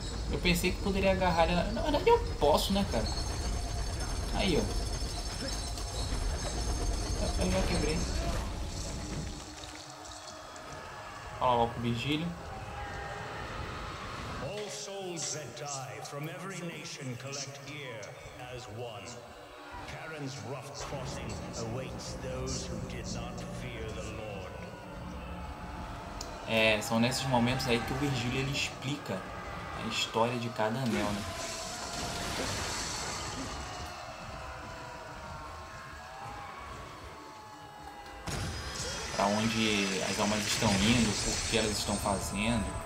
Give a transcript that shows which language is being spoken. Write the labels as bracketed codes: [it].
[pt] Eu pensei que poderia agarrar ela. Na verdade, eu posso, né, cara? Aí, ó. Eu já quebrei. Fala logo com o Virgílio. [en] All souls that die from every nation collect here as one. Karen's rough crossing awaits those who did not fear the Lord. [pt] É, são nesses momentos aí que o Virgílio ele explica a história de cada anel, né? Pra onde as almas estão indo, o que elas estão fazendo.